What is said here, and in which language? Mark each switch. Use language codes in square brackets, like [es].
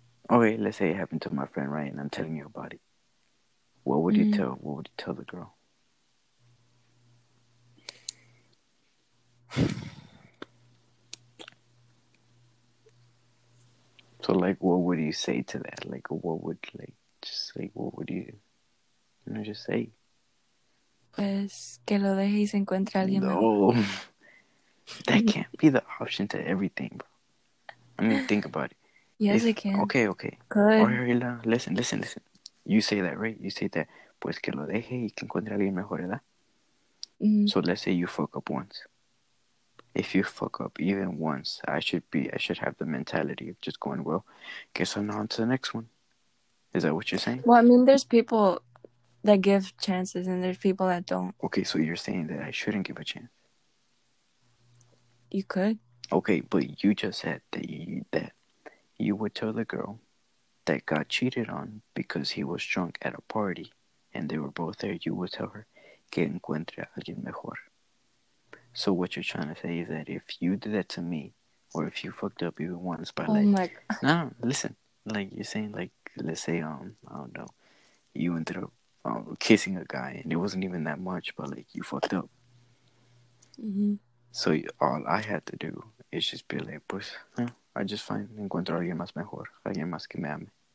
[en] Okay, let's say it happened to my friend, right? And I'm telling you about it. What would you tell? What would you tell the girl? So, like, what would you say to that? Like, what would, like, just, like, what would you, know, just say? [es] Pues, que lo deje y se encuentre alguien. [en] No. That can't be the option to everything, bro. I mean, think about it. Yes, it can. Okay, okay. Good. Or, listen. You say that, right? You say that. [es] Pues, que lo deje y que encuentre alguien mejor, ¿verdad? [en] So, let's say you fuck up once. If you fuck up even once, I should have the mentality of just going, well, guess I'm on to the next one. Is that what you're saying? Well, I mean, there's people that give chances and there's people that don't. Okay, so you're saying that I shouldn't give a chance. You could. Okay, but you just said that you would tell the girl that got cheated on because he was drunk at a party and they were both there. You would tell her, [es] que encuentre a alguien mejor. [en] So what you're trying to say is that if you did that to me, or if you fucked up even once by listen, like you're saying, like, let's say, I don't know, you ended up kissing a guy, and it wasn't even that much, but like, you fucked up. Mm-hmm. So all I had to do is just be like, pues, I just find, [es] encuentro alguien más mejor, alguien más que me ame.